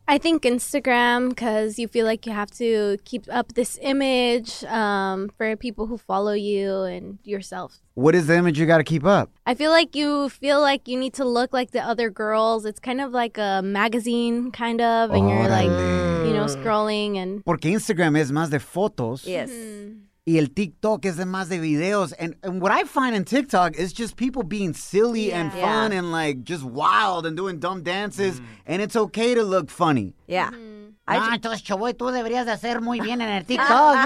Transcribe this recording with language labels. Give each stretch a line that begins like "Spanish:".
English: I think Instagram, because you feel like you have to keep up this image for people who follow you and yourself. What is the image you got to keep up? I feel like you need to look like the other girls. It's kind of like a magazine, kind of, and you're like, you know, scrolling. And
Spanish: porque Instagram es más de fotos. Yes. Y el TikTok es de más de videos.
English: And what I find in TikTok is just people being silly and fun and like just wild and doing dumb dances. Mm. And it's okay to look funny. Yeah. Mm.
Spanish: Entonces, Chaboy, tú deberías hacer muy bien en el TikTok.